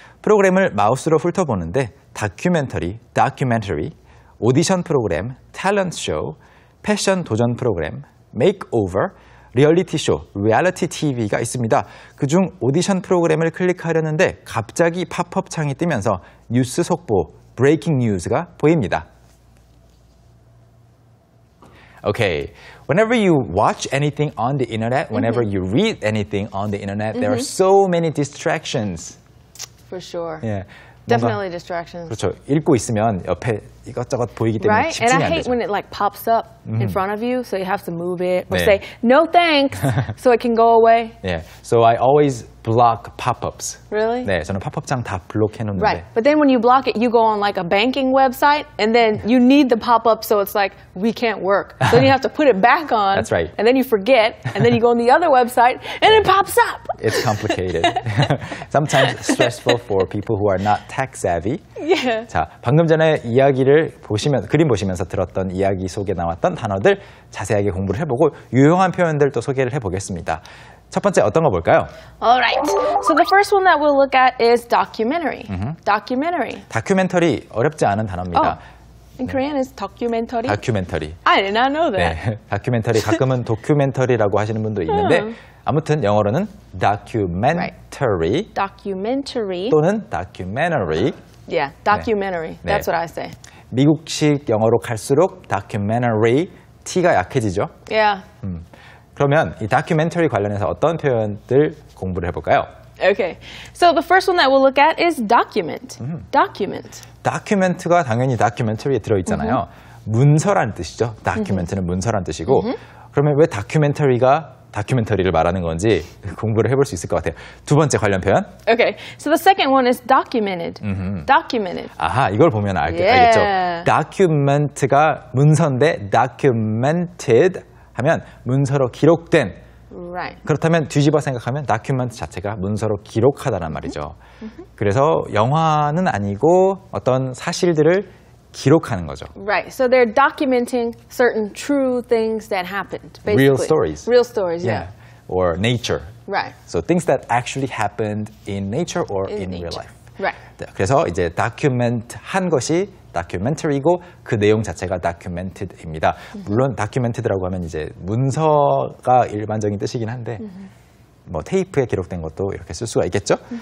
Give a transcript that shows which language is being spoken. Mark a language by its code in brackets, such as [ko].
[ko] 프로그램을 마우스로 훑어보는데 다큐멘터리, 다큐멘터리, 오디션 프로그램, 탤런트 쇼, 패션 도전 프로그램, 메이크오버, 리얼리티 쇼, 리얼리티 TV가 있습니다. 그중 오디션 프로그램을 클릭하려는데 갑자기 팝업 창이 뜨면서 뉴스 속보, 브레이킹 뉴스가 보입니다. [en] Okay, whenever you watch anything on the internet, whenever you read anything on the internet, there are so many distractions. For sure. Yeah. Definitely distractions. [ko] 그렇죠. 읽고 있으면 옆에 이것저것 보이기 때문에 [en] right? [ko] 집중이 안 되죠. [en] And I hate when it like pops up in front of you, so you have to move it or 네. say, no thanks, so it can go away. Yeah, so I always block pop-ups. Really? [ko] 네, 저는 팝업창 다 블록해놓는데. [en] Right, but then when you block it, you go on like a banking website, and then you need the pop-up, so it's like, we can't work. So then you have to put it back on. That's right. And then you forget, and then you go on the other website, and it pops up. It's complicated. Sometimes stressful for people who are not tech savvy. Yeah. [ko] 자, 방금 전에 이야기를 보시면, 그림 보시면서 들었던 이야기 속에 나왔던 단어들 자세하게 공부를 해보고 유용한 표현들 또 소개를 해보겠습니다. 첫 번째 어떤 거 볼까요? [en] All right. So the first one that we'll look at is documentary. Documentary. [ko] 다큐멘터리 어렵지 않은 단어입니다. [en] Oh. In Korean, 네. is 다큐멘터리? [ko] 다큐멘터리. [en] I did not know that. [ko] 네. 다큐멘터리 가끔은 도큐멘터리라고 하시는 분도 있는데 아무튼 영어로는 documentary. Right. [en] Documentary. [ko] 또는 documentary. [en] Yeah, documentary. 네. That's 네. what I say. [ko] 미국식 영어로 갈수록 documentary T가 약해지죠? [en] Yeah. [ko] 그러면 이 다큐멘터리 관련해서 어떤 표현들 공부를 해볼까요? [en] Okay. So the first one that we'll look at is document. Document. [ko] 다큐멘트가 당연히 다큐멘터리에 들어있잖아요. 문서라는 뜻이죠. 다큐멘트는 문서라는 뜻이고. 그러면 왜 다큐멘터리가 다큐멘터리를 말하는 건지 공부를 해볼 수 있을 것 같아요. 두 번째 관련 표현. [en] Okay. So the second one is documented. Documented. [ko] 아하, 이걸 보면 알겠죠. 다큐멘트가 문서인데 documented. 하면 문서로 기록된 [en] right. [ko] 그렇다면 뒤집어 생각하면 다큐먼트 자체가 문서로 기록하다란 말이죠. 그래서 영화는 아니고 어떤 사실들을 기록하는 거죠. [en] Right. So they're documenting certain true things that happened. Basically. Real stories. Real stories. Yeah. yeah. Or nature. Right. So things that actually happened in nature or in nature. real life. Right. [ko] 그래서 이제 다큐멘트 한 것이 다큐멘터리고 그 내용 자체가 다큐멘티드입니다. 물론 다큐멘티드라고 하면 이제 문서가 일반적인 뜻이긴 한데 뭐 테이프에 기록된 것도 이렇게 쓸 수가 있겠죠?